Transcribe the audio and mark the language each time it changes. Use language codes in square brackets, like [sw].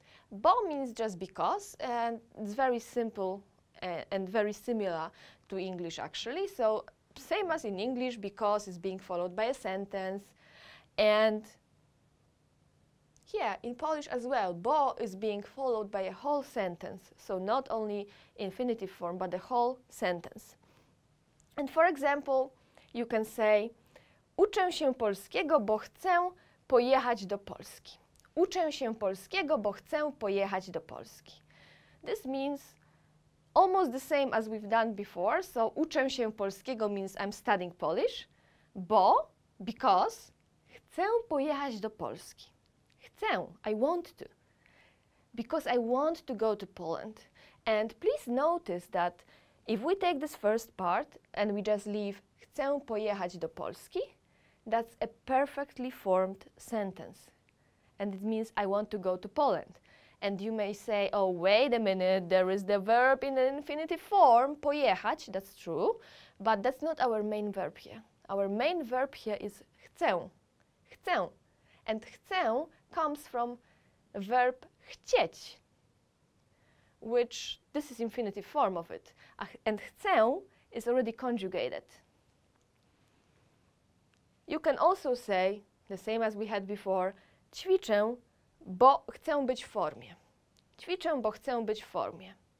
[en] Bo means just because, and it's very simple and very similar to English actually. So same as in English, because is being followed by a sentence. And here in Polish as well, bo is being followed by a whole sentence. So not only infinitive form, but the whole sentence. And for example, you can say, [pl] uczę się polskiego, bo chcę pojechać do Polski. Uczę się polskiego, bo chcę pojechać do Polski. [en] This means almost the same as we've done before. [pl] So uczę się polskiego [en] means I'm studying Polish, [pl] bo, because, chcę pojechać do Polski. [en] Chcę, I want to. Because I want to go to Poland. And please notice that if we take this first part and we just leave [pl] chcę pojechać do Polski, [en] that's a perfectly formed sentence. And it means I want to go to Poland. And you may say, oh, wait a minute, there is the verb in the infinitive form, pojechać, that's true. But that's not our main verb here. Our main verb here is chcę. Chcę. And chcę comes from verb chcieć, which this is infinitive form of it. And chcę is already conjugated. You can also say, the same as we had before, [pl] ćwiczę, bo chcę być w formie. Ćwiczę, bo chcę być w formie.